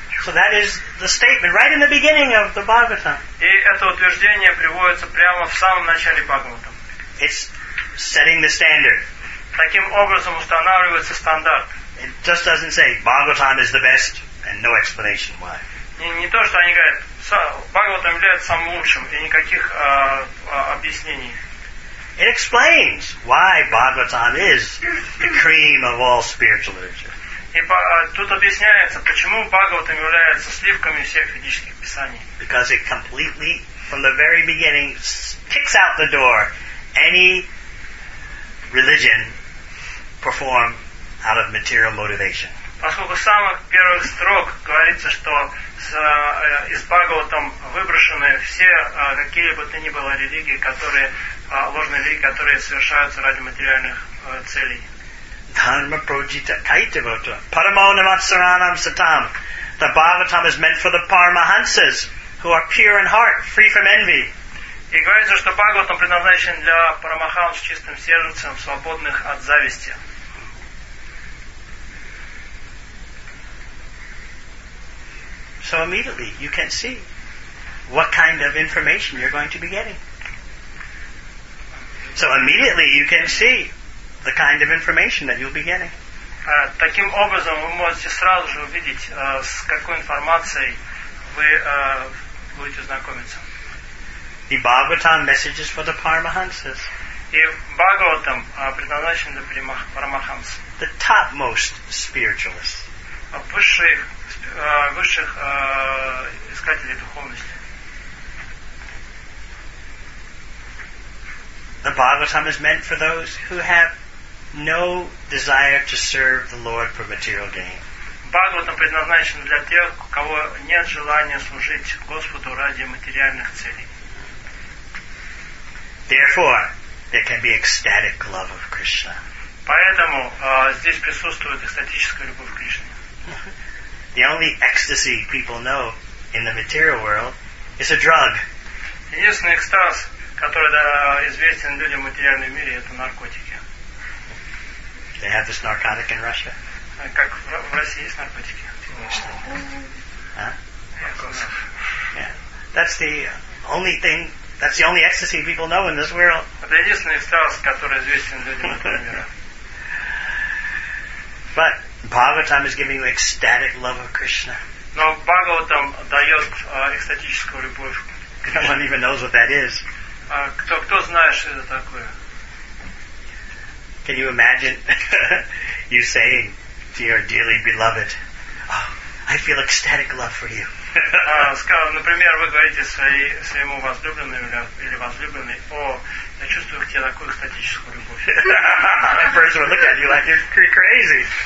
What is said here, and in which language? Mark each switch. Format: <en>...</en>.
<en>So that is the statement right in the beginning of the Bhagavatam.</en> <ru>И это утверждение приводится прямо в самом начале Бхагаватам.</ru> <en>It's setting the standard.</en> <ru>Таким образом устанавливается стандарт.</ru> <en>It just doesn't say Bhagavatam is the best and no explanation why.</en> <ru>Не то, что они говорят, Бхагаватам является самым лучшим, и никаких объяснений.</ru> <en>It explains why Bhagavatam is the cream of all spiritual literature.</en> <ru>И тут объясняется, почему Бхагаватам является сливками всех ведических писаний.</ru> <en>Because it completely, from the very beginning, kicks out the door any religion performed out of material motivation.</en> <ru>Поскольку с самых первых строк говорится, что из Бхагаватам выброшены все какие бы то ни было религии, которые ложные религии, которые совершаются ради материальных целей.</ru> <sa>Dharma prajita kaitavata. Paramonavatsaranam satam.</sa> <en>The Bhagavatam is meant for the Paramahansas, who are pure in heart, free from envy.</en> <ru>И говорится, что Бхагаватам предназначен для Парамаханс, чистым сердцем, свободных от зависти.</ru> <en>So immediately you can see what kind of information you're going to be getting. So immediately you can see the kind of information that you'll be getting.</en> <ru>Таким образом вы можете сразу же увидеть, с какой информацией вы будете знакомиться.</ru> <en>The Bhagavatam messages for the Paramahansas.</en> <ru>И Бхагаватам предназначен для Парамахамс.</ru> <en>The topmost spiritualists.</en> <ru>Высших искателей духовности.</ru> <en>The Bhagavatam is meant for those who have no desire to serve the Lord for material gain.</en> <ru>Бхагаватам предназначен для тех, у кого нет желания служить Господу ради материальных целей.</ru> <en>Therefore, there can be ecstatic love of Krishna.</en> <ru>Поэтому здесь присутствует экстатическая любовь к Кришне.</ru> <en>The only ecstasy people know in the material world is a drug.</en> <ru>Единственный экстаз, который известен людям в материальном мире, это наркотики.</ru> <en>They have this narcotic in Russia?</en> <ru>Как в России есть наркотики?</ru> <en>That's the only thing, that's the only ecstasy people know in this world.</en> <ru>Это единственный экстаз, который известен людям в материальном мире.</ru> <en>Bhagavatam is giving you ecstatic love of Krishna.</en> <ru>Но Бхагаватам дает экстатическую любовь.</ru> <en>No one even knows what that is.</en> <ru>Кто знает, что это такое?</ru> <en>Can you imagine you saying to your dearly beloved, oh, I feel ecstatic love for you.</en> <ru>Например, вы говорите своему возлюбленному или возлюбленной, о, я чувствую к тебе такую экстатическую любовь.</ru> <en>First one look at you like you're crazy.</en>